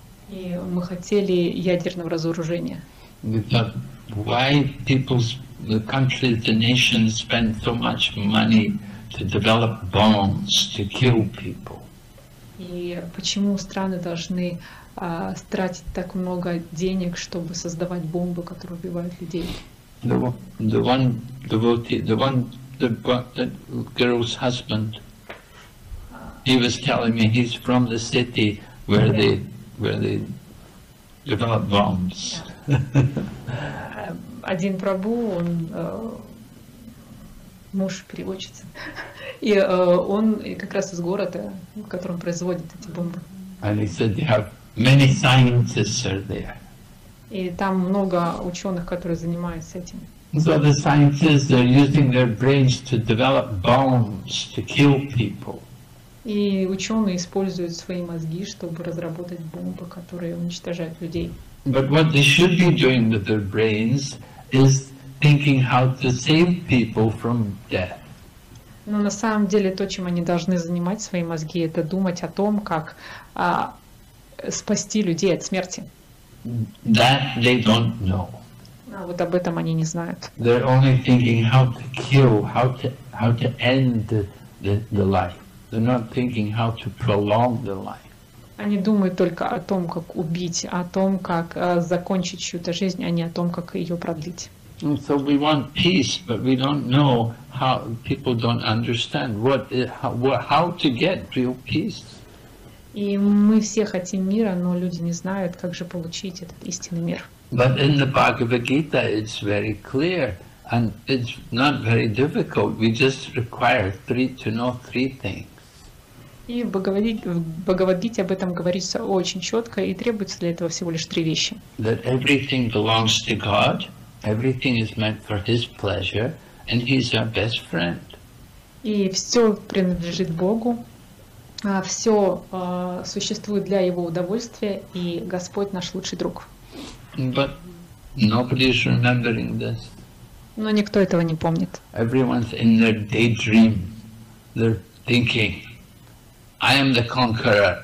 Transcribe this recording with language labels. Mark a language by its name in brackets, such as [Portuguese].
[Russian] И мы хотели ядерного разоружения. [English] We thought, why people, the countries, the nations spend so much money to develop bombs to kill people? [Russian] И почему страны должны тратить так много денег, чтобы создавать бомбы, которые убивают людей. [English] The girl's husband, he was telling me he's from the city where they develop bombs. [Russian] Один Прабу, он муж переводчицы, и он как раз из города, в котором производят эти бомбы. [English] And he said they have many scientists are there. [Russian] И там много ученых, которые занимаются этим. [English] So the scientists are using their brains to develop bombs to kill people. [Russian] И ученые используют свои мозги, чтобы разработать бомбы, которые уничтожают людей. [English] But what they should be doing with their brains is thinking how to save people from death. [Russian] Но на самом деле то, чем они должны занимать свои мозги, это думать о том, как спасти людей от смерти. [English] That they don't know. [Russian] А вот об этом они не знают. [English] They're only thinking how to kill, how to end the life. They're not thinking how to prolong the life. [Russian] Они думают только о том, как убить, о том, как закончить чью-то жизнь, а не о том, как ее продлить. [English] So we want peace, but we don't know how, people don't understand how to get real peace. [Russian] И мы все хотим мира, но люди не знают, как же получить этот истинный мир. [English] But in the Bhagavad Gita it's very clear, and it's not very difficult. We just require to know three things. [Russian] И в Бхагавад-гите об этом говорится очень четко, и требуется для этого всего лишь три вещи. [English] That everything belongs to God. Everything is meant for his pleasure, and he's our best friend. [Russian] И все принадлежит Богу, все существует для его удовольствия, и Господь наш лучший друг. [English] But nobody is remembering this. [Russian] Но никто этого не помнит. [English] Everyone's in their daydream. They're thinking, I am the conqueror.